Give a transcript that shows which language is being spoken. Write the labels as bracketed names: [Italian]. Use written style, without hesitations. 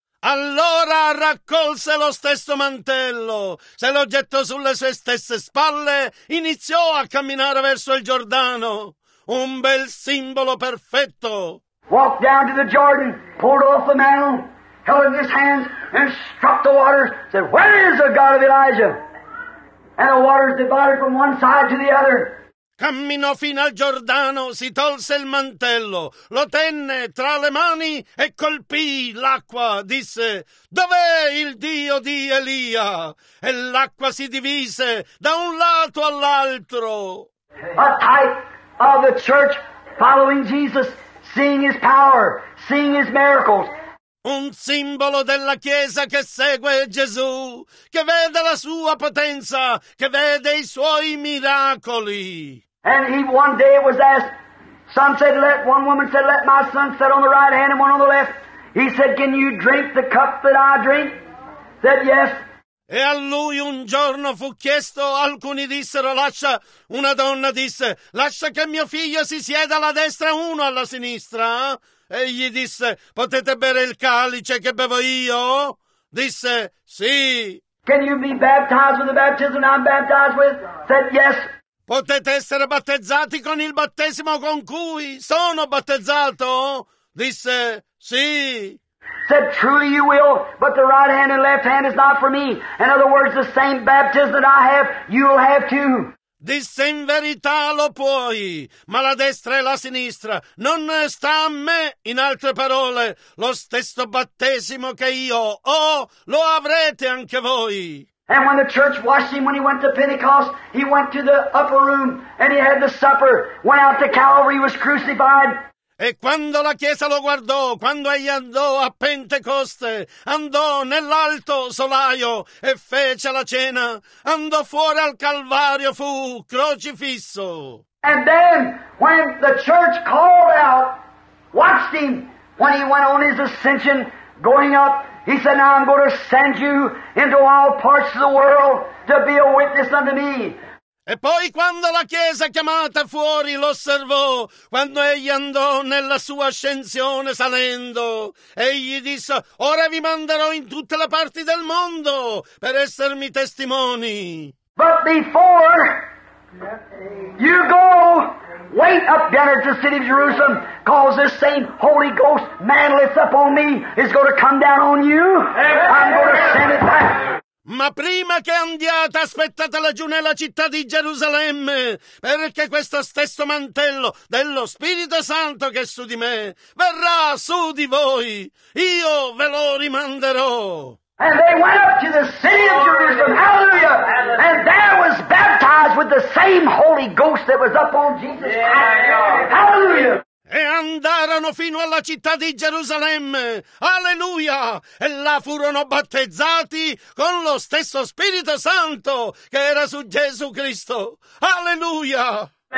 [Italian] Allora raccolse lo stesso mantello, se lo gettò sulle sue stesse spalle, iniziò a camminare verso il Giordano, un bel simbolo perfetto. [English] Walked down to the Jordan, pulled off the mantle, held it in his hands, and struck the waters, said, "Where is the God of Elijah?" And the waters divided from one side to the other. [Italian] Camminò fino al Giordano, si tolse il mantello, lo tenne tra le mani e colpì l'acqua. Disse, dov'è il Dio di Elia? E l'acqua si divise da un lato all'altro. [English] A type of the church following Jesus, seeing his power, seeing his miracles. [Italian] Un simbolo della Chiesa che segue Gesù, che vede la sua potenza, che vede i suoi miracoli. [English] And he one day was asked, some said, let one woman said, let my son sit on the right hand and one on the left. He said, can you drink the cup that I drink? Said, yes. [Italian] E a lui un giorno fu chiesto, alcuni dissero, lascia, una donna disse, lascia che mio figlio si sieda alla destra, uno alla sinistra. E gli disse, potete bere il calice che bevo io? Disse, sì. [English] Can you be baptized with the baptism I'm baptized with? Said, yes. [Italian] Potete essere battezzati con il battesimo con cui sono battezzato? Disse, sì. [English] Said, truly you will, but the right hand and left hand is not for me. In other words, the same baptism that I have, you will have too. [Italian] Disse, in verità lo puoi, ma la destra e la sinistra non sta a me. In altre parole, lo stesso battesimo che io ho, lo avrete anche voi. [English] And when the church washed him, when he went to Pentecost, he went to the upper room and he had the supper, went out to Calvary, was crucified. [Italian] E quando la chiesa lo guardò, quando egli andò a Pentecoste, andò nell'alto solaio e fece la cena, andò fuori al Calvario, fu crocifisso. [English] And then, when the church called out, watched him, when he went on his ascension, going up, he said, now I'm going to send you into all parts of the world to be a witness unto me. [Italian] E poi quando la chiesa chiamata fuori lo osservò, quando egli andò nella sua ascensione salendo, egli disse, ora vi manderò in tutte le parti del mondo per essermi testimoni. [English] But before you go, wait up there to the city of Jerusalem, because this same Holy Ghost man lifts up on me is going to come down on you. I'm going to send it back. [Italian] Ma prima che andiate, aspettate laggiù nella città di Gerusalemme, perché questo stesso mantello dello Spirito Santo che è su di me verrà su di voi. Io ve lo rimanderò. [English] And they went up to the city of Jerusalem, hallelujah, and there was baptized with the same Holy Ghost that was up on Jesus Christ, hallelujah. [Italian] E andarono fino alla città di Gerusalemme, alleluia, e là furono battezzati con lo stesso Spirito Santo che era su Gesù Cristo, alleluia.